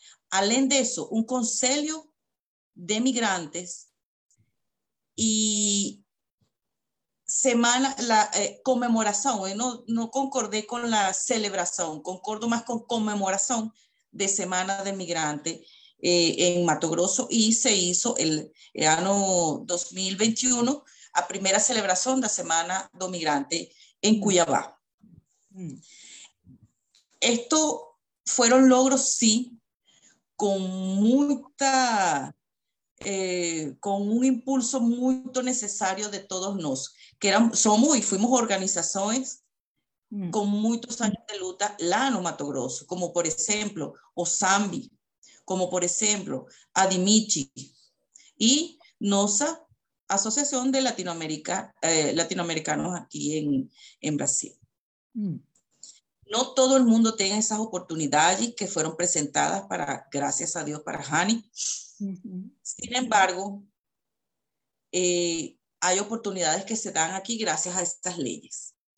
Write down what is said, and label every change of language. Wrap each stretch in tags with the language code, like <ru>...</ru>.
<es>Além de eso, un consejo de migrantes y semana, la conmemoración, no concordé con la celebración, concordo más con conmemoración de Semana de Migrante en Mato Grosso y se hizo el año 2021, a primeira celebração da Semana do Migrante em Cuiabá.</es> <pt>Estos foram logros, sim, com muita, com um impulso muito necessário de todos nós, que fuimos organizações com muitos anos de luta lá no Mato Grosso, como por exemplo o Zambi, como por exemplo a Dimichi e nossa Asociación de Latinoamérica, latinoamericanos aquí en Brasil.</pt> <es>No todo el mundo tiene esas oportunidades que fueron presentadas para, gracias a Dios, para Hani. Sin embargo, hay oportunidades que se dan aquí gracias a estas leyes.</es>